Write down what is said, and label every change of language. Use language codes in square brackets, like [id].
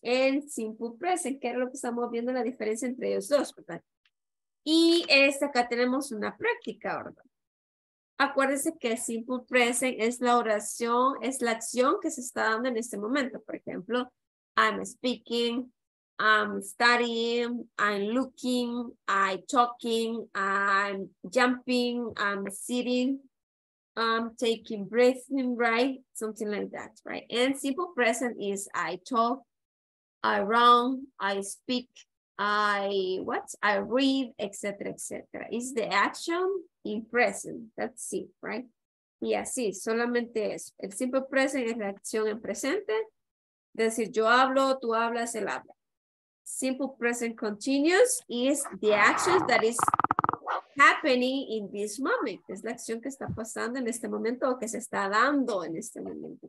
[es] El Simple Present, que era lo que estamos viendo, la diferencia entre ellos dos, ¿verdad? Y acá tenemos una práctica, ¿verdad? Acuérdense que el Simple Present es la oración, es la acción que se está dando en este momento. Por ejemplo, [en] I'm speaking, I'm studying, I'm looking, I'm talking, I'm jumping, I'm sitting, I'm taking breathing, right? Something like that, right? And Simple Present is I talk, I run, I speak, I read, etc., etc. Is the action in present? That's it, right? [es] Y así, solamente eso. El simple present es la acción en presente. Decir, yo hablo, tú hablas, él habla. [en] Simple present continuous is the action that is happening in this moment. [es] Es la acción que está pasando en este momento o que se está dando en este momento.